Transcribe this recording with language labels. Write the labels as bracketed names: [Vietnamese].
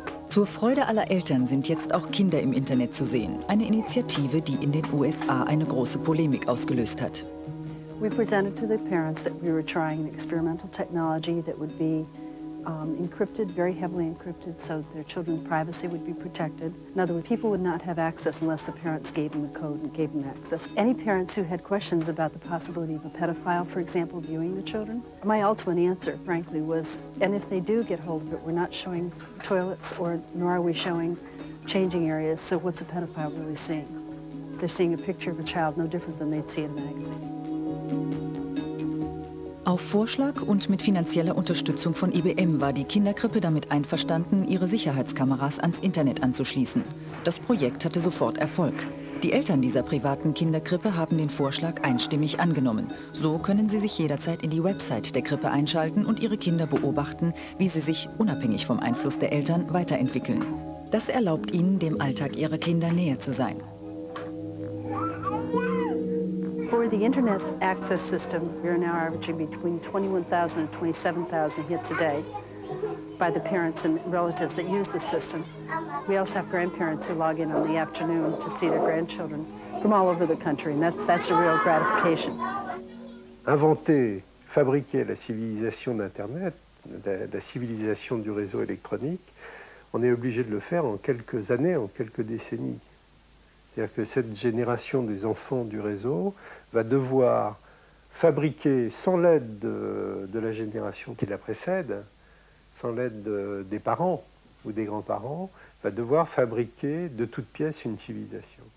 [German] Zur Freude aller Eltern sind jetzt auch Kinder im Internet zu sehen. Eine Initiative, die in den USA eine große Polemik ausgelöst hat. [English] We presented to the parents that we were trying an experimental technology that would be encrypted, very heavily encrypted, so their children's privacy would be protected. In other words, people would not have access unless the parents gave them the code and gave them access. Any parents who had questions about the possibility of a pedophile, for example, viewing the children, my ultimate answer, frankly, was, and if they do get hold of it, we're not showing toilets, or nor are we showing changing areas, so what's a pedophile really seeing? They're seeing a picture of a child no different than they'd see in a magazine. [German] Auf Vorschlag und mit finanzieller Unterstützung von IBM war die Kinderkrippe damit einverstanden, ihre Sicherheitskameras ans Internet anzuschließen. Das Projekt hatte sofort Erfolg. Die Eltern dieser privaten Kinderkrippe haben den Vorschlag einstimmig angenommen. So können sie sich jederzeit in die Website der Krippe einschalten und ihre Kinder beobachten, wie sie sich, unabhängig vom Einfluss der Eltern, weiterentwickeln. Das erlaubt ihnen, dem Alltag ihrer Kinder näher zu sein. [English] For the internet access system, we are now averaging between 21,000 and 27,000 hits a day by the parents and relatives that use the system. We also have grandparents who log in the afternoon to see their grandchildren from all over the country, and that's a real gratification. [French] Inventer, fabriquer la civilisation d'Internet, la civilisation du réseau électronique, on est obligé de le faire en quelques années, en quelques décennies. C'est-à-dire que cette génération des enfants du réseau va devoir fabriquer, sans l'aide de la génération qui la précède, sans l'aide des parents ou des grands-parents, va devoir fabriquer de toutes pièces une civilisation.